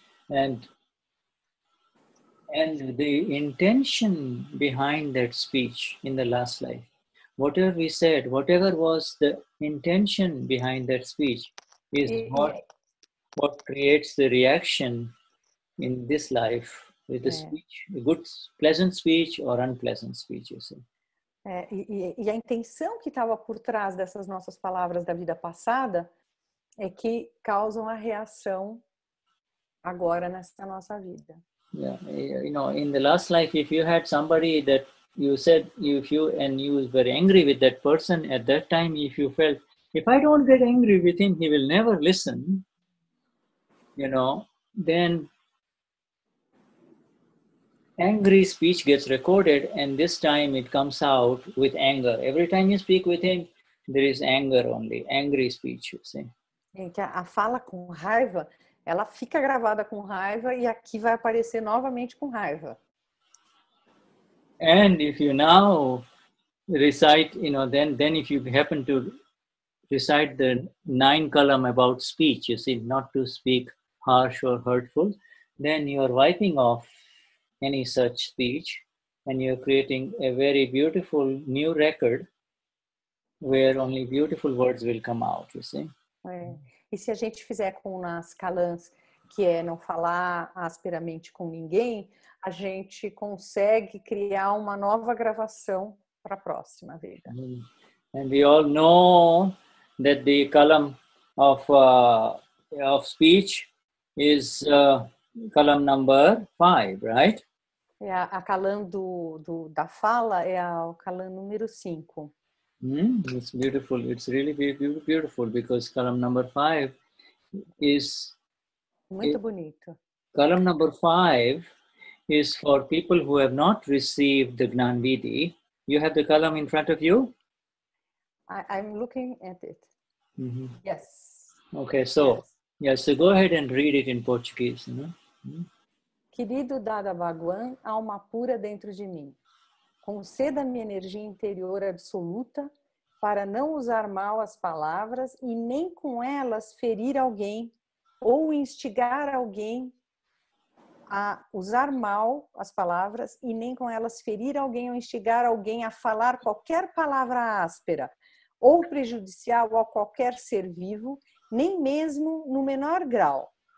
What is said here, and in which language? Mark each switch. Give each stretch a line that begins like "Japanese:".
English: And the intention behind that speech in the last life, whatever we said, whatever was the intention behind that speech, is what. What creates the reaction in this life with the speech, a good, pleasant speech or unpleasant speech, you see?
Portuguese: E a intenção que estava por trás dessas nossas palavras da vida passada é que causam a reação agora nessa nossa vida.
English: Yeah, you know, in the last life, if you had somebody that you said, if you and you were very angry with that person at that time, if you felt, if I don't get angry with him, he will never listen, you know, then angry speech gets recorded and this time it comes out with anger. Every time you speak with him, there is anger only, angry speech, you see.
Portuguese: A fala com raiva, ela fica gravada com raiva e aqui vai aparecer novamente com raiva.
English: And if you now recite, you know, then if you happen to recite the 9th column about speech, you see, not to speak harsh or hurtful, then you are wiping off any such speech and you are creating a very beautiful new record where only beautiful words will come out, you see.
Portuguese: É. E se a gente fizer com nas calãs, que é não falar asperamente com ninguém, a gente consegue criar uma nova gravação para a próxima vida.
English: And we all know that the column of speech is column number 5, right?
Portuguese: É a calan da fala é a calan número 5.
English: It's beautiful. It's really beautiful because column number 5 is
Portuguese: muito bonito.
English: Column number 5 is for people who have not received the Jnanvidhi. You have the column in front of you? I'm looking at it. Mm-hmm. Yes. Okay, so yes. Yeah, so go ahead and read it in Portuguese, you know?
Portuguese: Querido Dada Bhagwan, alma pura dentro de mim, conceda-me energia interior absoluta para não usar mal as palavras e nem com elas ferir alguém ou instigar alguém a usar mal as palavras e nem com elas ferir alguém ou instigar alguém a falar qualquer palavra áspera ou prejudicial a qualquer ser vivo, nem mesmo no menor grau.